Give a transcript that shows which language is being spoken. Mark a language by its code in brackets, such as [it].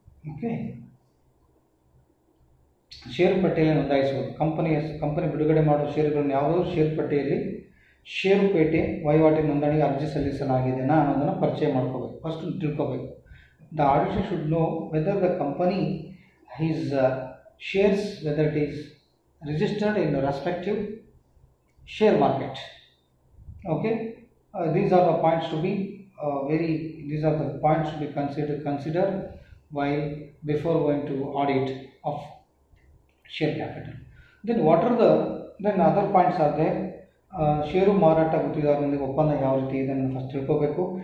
[kn] Okay, ಷೇರು ಪಟ್ಟಿಯಲ್ಲಿ ನೋಂದಾಯಿಸುವುದು company ಬಿಡುಗಡೆ ಮಾಡುವ ಷೇರುಗಳನ್ನು ಯಾವುದಾದ್ರೂ ಷೇರು ಪಟ್ಟಿಯಲ್ಲಿ ಷೇರು ಪೇಟೆ ವಹಿವಾಟಿನ ನೋಂದಣಿಗೆ ಅರ್ಜಿ ಸಲ್ಲಿಸಲಾಗಿದೆಯಾ ಅನ್ನೋದನ್ನು ಪರಿಚಯ ಮಾಡ್ಕೋಬೇಕು. ಫಸ್ಟ್ ತಿಳ್ಕೋಬೇಕು. [en] The auditor should know whether the company is shares whether it is registered in respective share market. Okay, these are the points to be very, these are the points to be consider while before going to audit of share capital. Then what are the, then other points are there. [kn] ಷೇರು ಮಾರಾಟ ಗುತ್ತಿಗೆದಾರರೊಂದಿಗೆ ಒಪ್ಪಂದ ಯಾವ ರೀತಿ ಇದೆ ಅನ್ನೋದು first ತಿಳ್ಕೋಬೇಕು.